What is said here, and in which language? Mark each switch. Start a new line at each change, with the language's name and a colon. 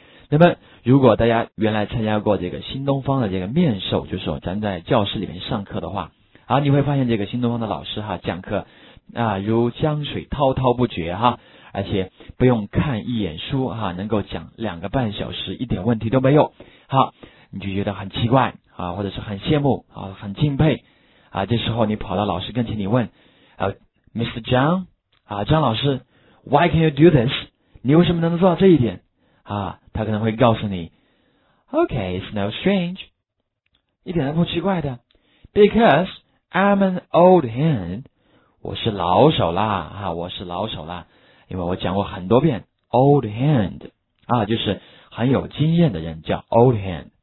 Chinese: 那么如果大家原来参加过这个新东方的这个面授，就是说咱在教室里面上课的话啊，你会发现这个新东方的老师哈讲课啊如江水滔滔不绝哈，而且不用看一眼书哈，能够讲2个半小时一点问题都没有。好，你就觉得很奇怪啊，或者是很羡慕啊，很敬佩啊。这时候你跑到老师跟前，你问Mr.
English: John 啊，张老师 ,Why can you do this?
Chinese: 你为什么能做到这一点啊？他可能会告诉你 OK,
English: it's no strange，
Chinese: 一点都不奇怪的。
English: Because I'm an old hand，
Chinese: 我是老手啦啊，我是老手啦，因为我讲过很多遍 old hand 啊，就是很有经验的人叫 old hand。